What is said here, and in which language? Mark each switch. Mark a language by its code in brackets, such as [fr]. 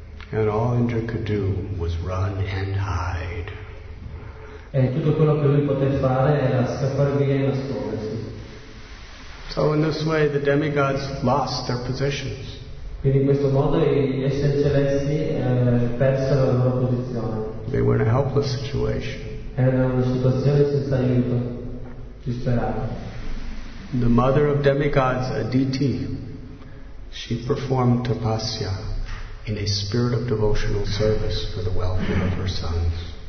[en] And all Indra could do was run and hide. [it] E tutto quello che lui poteva fare era scappare via e nascondersi. [en] So in this way the demigods lost their positions. [it] Quindi in questo modo gli esseri celesti persero la loro posizione. [en] They were in a helpless situation. [it] Era una situazione senza aiuto, disperata. [en] The mother of demigods, Aditi, she performed tapasya in a spirit of devotional service for the welfare of her sons.